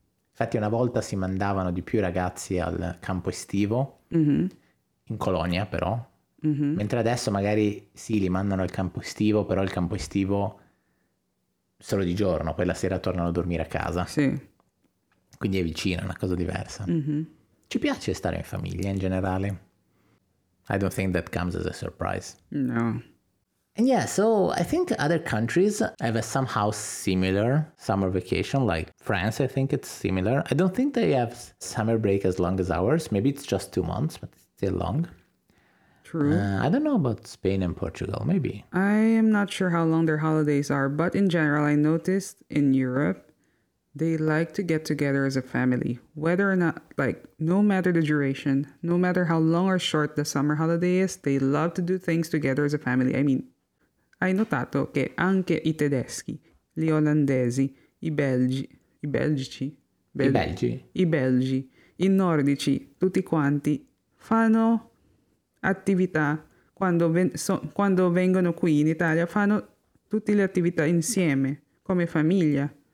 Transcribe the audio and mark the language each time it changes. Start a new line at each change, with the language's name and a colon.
Italian: Infatti una volta si mandavano di più i ragazzi al campo estivo, in colonia però, mentre adesso magari sì, li mandano al campo estivo, però il campo estivo solo di giorno, poi la sera tornano a dormire a casa. Sì. Quindi è vicino, è una cosa diversa. Ci piace stare in famiglia in generale.
English: I don't think that comes as a surprise. No. And yeah, so I think other countries have a somehow similar summer vacation, like France, I think it's similar. I don't think they have summer break as long as ours. Maybe it's just 2 months, but it's still long. True. I don't know about Spain and Portugal, maybe. I am not sure how long their holidays are, but in general, I noticed in Europe, they like to get together as a family, whether or not, like, no matter the duration, no matter how long or short the summer holiday is, they love to do things together as a family. I mean,
Italian: hai notato che anche i tedeschi, gli olandesi, i belgi, i nordici, tutti quanti fanno attività quando vengono qui in Italia, fanno tutte le attività insieme, come famiglia.